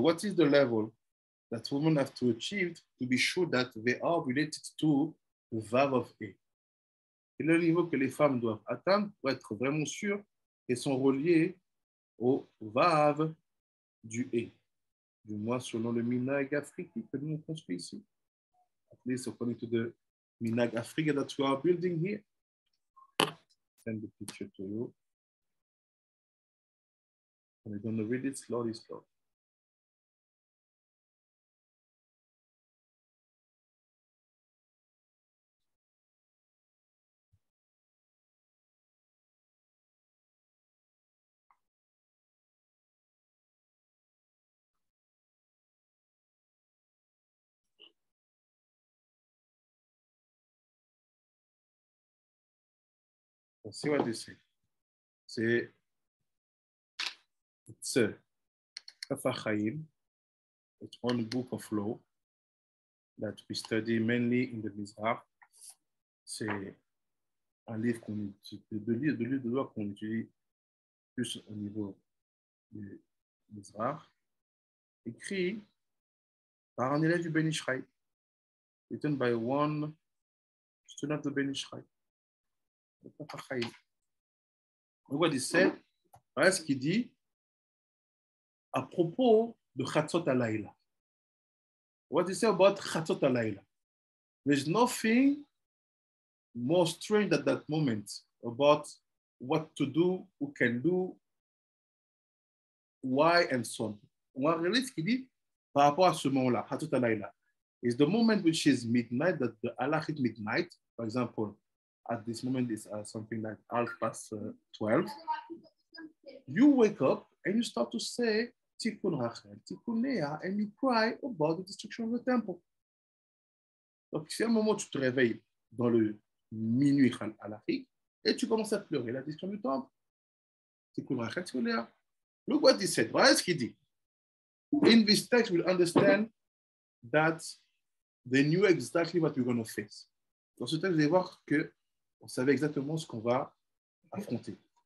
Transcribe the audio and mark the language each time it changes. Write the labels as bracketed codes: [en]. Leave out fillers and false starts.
[en] What is the level that women have to achieve to be sure that they are related to the vav of A? [fr] Quel est le niveau que les femmes doivent atteindre pour être vraiment sûres qu'elles sont reliées au vav du A? Du moins, selon le minhag africain que nous avons construit ici. [en] At least according to the Minag Africa that we are building here. Send the picture to you. And we're going to read it slowly, slowly. See what they say. It's a Kafa Chaim. It's one book of law that we study mainly in the Mizrah. [fr] C'est un livre qu'on utilise, de livres de loi qu'on utilise plus au niveau du Mizrah, écrit par un élève du Ben Ishraï, [en] written by one student of Ben Ishraï. What he said, [fr] voilà ce qu'il dit à propos de Chatzot Alayla. [en] What he said about Chatzot Alayla. There's nothing more strange at that moment about what to do, who can do, why, and so on. [fr] On va relire ce qu'il dit par rapport à ce moment-là, Chatzot Alayla. [en] It's the moment which is midnight, that the Allah is midnight, for example. At this moment, it's something like 12:30. You wake up and you start to say Tikkun Rachel, Tikkun Leah, and you cry about the destruction of the temple. [fr] Donc, c'est un moment où tu te réveilles dans le minuit à l'Afrique et tu commences à pleurer la destruction du temple. [en] Tikkun Rachel, Tikkun Leah. Look what he said. What is he dit? In this text, we'll understand that they knew exactly what we're going to face. [fr] Dans ce texte, vous allez voir que on savait exactement ce qu'on va affronter.